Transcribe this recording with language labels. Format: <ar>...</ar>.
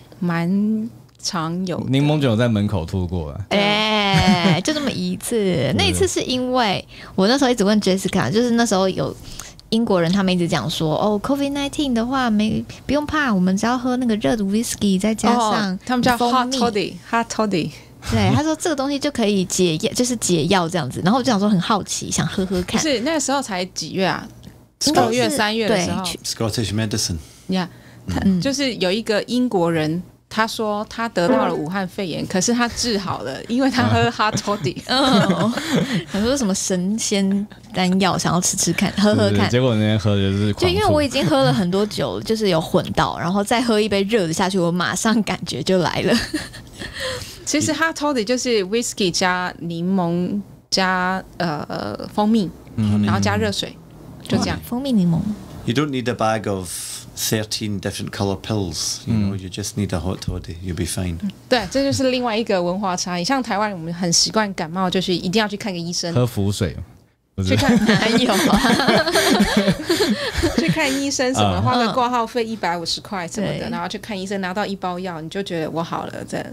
<zh>蛮常有的。柠檬酒有在门口吐过啊？哎，就这么一次。那一次是因为我那时候一直问 Jessica， 就是那时候有英国人，他们一直讲说，哦 ，COVID-19 的话没不用怕，我们只要喝那个热的 whisky， 再加上、他们叫 hot toddy。对，他说这个东西就可以解药，就是解药这样子。然后我就想说很好奇，想喝喝看。是那个时候才几月啊？2月、3月的时候。</zh> <en>Scottish medicine，</en> <zh>呀、yeah, ，就是有一个英国人，他说他得到了武汉肺炎，可是他治好了，因为他喝 hot toddy。他说什么神仙丹药，想要吃吃看，喝喝看。结果那天喝的就是狂吐，就因为我已经喝了很多酒，就是有混到，然后再喝一杯热的下去，我马上感觉就来了。其实 hot toddy 就是 whisky 加柠檬加蜂蜜、然后加热水，就这样。蜂蜜柠檬。</zh> <en>You don't need a bag of 13 different color pills. You know, you just need a hot toddy. You'll be fine.、</en> <zh>对，这就是另外一个文化差异。像台湾，我们很习惯感冒，就是一定要去看个医生。喝符水。去看男友、啊。去看医生什么，花个挂号费150块什么的，然后去看医生拿到一包药，你就觉得我好了，这样。</zh>